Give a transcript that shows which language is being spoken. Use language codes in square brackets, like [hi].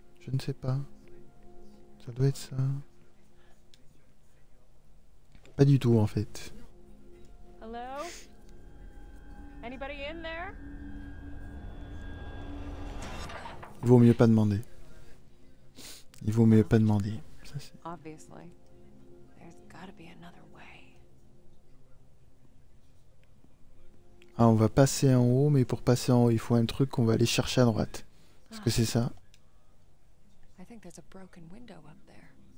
[fr] Je ne sais pas. Ça doit être ça. Pas du tout, en fait. [en] Hello? Anybody in there? [fr] Vaut mieux pas demander. Il vaut mieux pas demander. Ça, c'est... [en] Obviously, there's gotta be another way. [fr] Ah, on va passer en haut, mais pour passer en haut, il faut un truc qu'on va aller chercher à droite. Est-ce que c'est ça? [en] I think there's a broken window up there.